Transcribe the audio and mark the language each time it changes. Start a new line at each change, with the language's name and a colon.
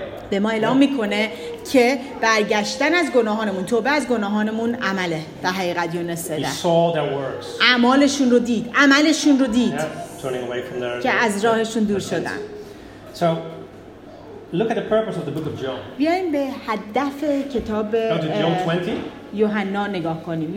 Persian: به ما اعلام میکنه که برگشتن از گناهانمون، توبه از گناهانمون عمله. در حقیقت یونس ده اعمالشون رو دید، عملشون رو دید.
English: Yeah.
Persian: که از راهشون دور شدن.
English: So look at the purpose of the book of John.
Persian: بیاییم به هدف کتاب یوحنا نگاه کنیم.